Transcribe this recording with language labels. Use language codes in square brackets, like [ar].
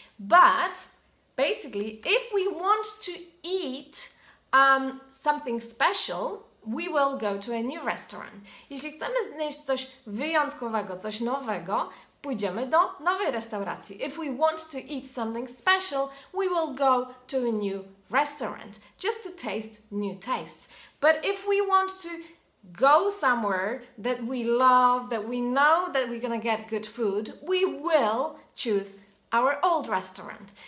[en] But basically, if we want to eat something special, we will go to a new restaurant. [pl] Jeśli chcemy znieść coś wyjątkowego, coś nowego, pójdziemy do nowej restauracji. [en] If we want to eat something special, we will go to a new restaurant, just to taste new tastes. But if we want to go somewhere that we love, that we know that we're gonna get good food, we will choose our old restaurant.